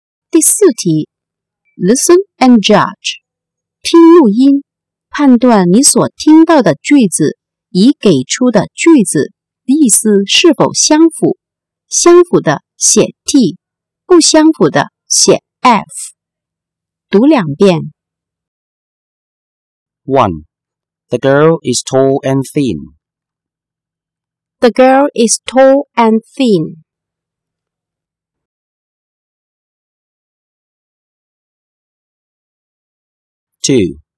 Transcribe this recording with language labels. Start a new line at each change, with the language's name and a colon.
Chinese: 第四题
English: Listen and judge.
Chinese: 听录音，判断你所听到的句子以给出的句子意思是否相符，相符的写 T， 不相符的写 F。读两遍。 1.
English: The girl is tall and thin. The girl is tall and thin. 2.